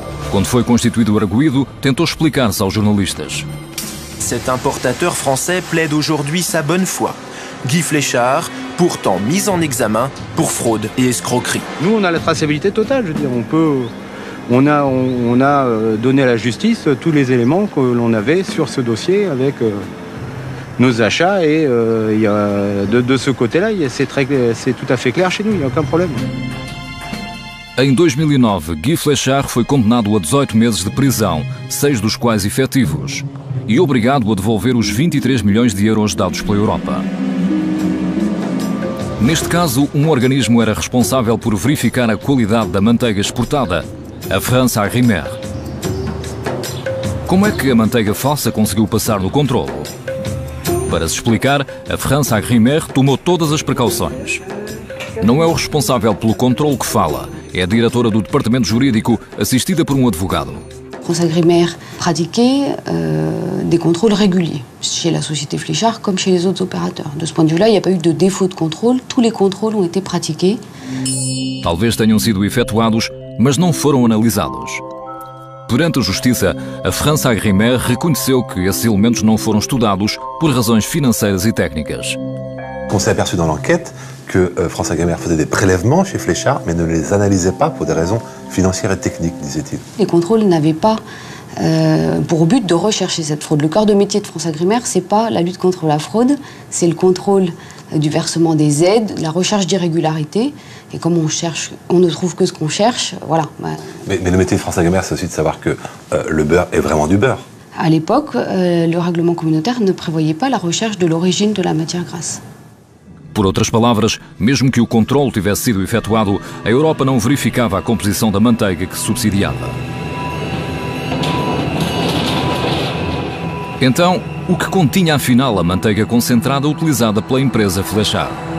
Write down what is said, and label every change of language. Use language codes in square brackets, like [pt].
[pt] Quando foi constituído o arguido, tentou explicar-se aos jornalistas. [fr] Cet importateur français plaide aujourd'hui sa bonne foi. Guy Flechard, pourtant mis en examen pour fraude et escroquerie. Nous, on a la traçabilité totale, je veux dire. On a donné à la justice tous les éléments que l'on avait sur ce dossier avec nos achats et de ce côté-là, c'est tout à fait clair chez nous, il n'y a aucun problème. [pt] Em 2009, Guy Flechard foi condenado a 18 meses de prisão, 6 dos quais efetivos, e obrigado a devolver os 23 milhões de euros dados pela Europa. Neste caso, um organismo era responsável por verificar a qualidade da manteiga exportada, a France Arrimer. Como é que a manteiga falsa conseguiu passar no controlo? Para se explicar, a France Arrimer tomou todas as precauções. Não é o responsável pelo controlo que fala, é a diretora do departamento jurídico, assistida por um advogado. [fr] France Arrimer pratiquait des contrôles réguliers chez la société Flechard comme chez les autres opérateurs. De ce point de vue-là, il n'y a pas eu de défaut de contrôle, tous les contrôles ont été pratiqués. [pt] Talvez tenham sido efetuados, mas não foram analisados. Perante a justiça, a France Agrimer reconheceu que esses elementos não foram estudados por razões financeiras e técnicas. [fr] On s'est aperçu dans l'enquête que France Agrimer faisait des prélèvements chez Flechard, mais ne les analysait pas pour des raisons financières et techniques, disait-il. Les contrôles n'avaient pas pour but de rechercher cette fraude. Le cœur de métier de France Agrimer, ce n'est pas la lutte contre la fraude, c'est le contrôle du versement des aides, la recherche d'irrégularités. Et comme on ne trouve que ce qu'on cherche, voilà. Bah. Mais le métier de France Agrimer, c'est aussi de savoir que le beurre est vraiment du beurre. À l'époque, le règlement communautaire ne prévoyait pas la recherche de l'origine de la matière grasse. [pt] Por outras palavras, mesmo que o controle tivesse sido efetuado, a Europa não verificava a composição da manteiga que subsidiava. Então, o que continha afinal a manteiga concentrada utilizada pela empresa Flechard?